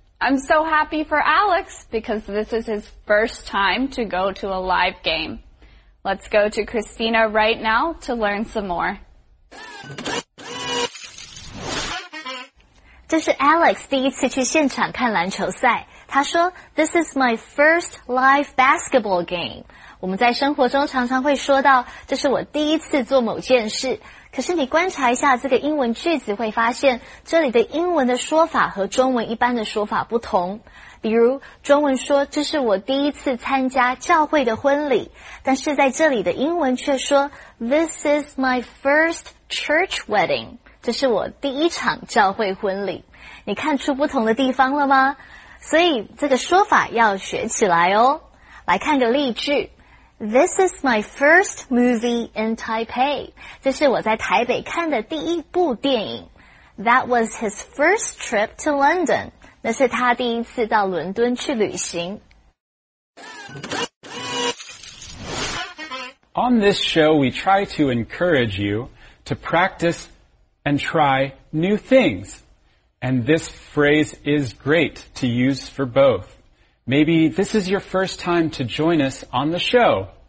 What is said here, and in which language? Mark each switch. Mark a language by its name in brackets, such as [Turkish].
[English] I'm so happy for Alex because this is his first time to go to a live game. Let's go to Christina right now to learn some more. [Chinese] 这是 Alex 第一次去现场看篮球赛。他说 [English] This is my first live basketball game. [Chinese] 我们在生活中常常会说到这是我第一次做某件事。可是你观察一下这个英文句子会发现这里的英文的说法和中文一般的说法不同。比如中文说这是我第一次参加教会的婚礼，但是在这里的英文却说 [English] This is my first church wedding. [Chinese] 这是我第一场教会婚礼。你看出不同的地方了吗？所以这个说法要学起来哦。来看个例句。 [English] This is my first movie in Taipei. [Chinese] 这是我在台北看的第一部电影。 [English] That was his first trip to London. [Chinese] 那是他第一次到伦敦去旅行。 [English] On this show, we try to encourage you to practice and try new things. And this phrase is great to use for both. Maybe this is your first time to join us on the show.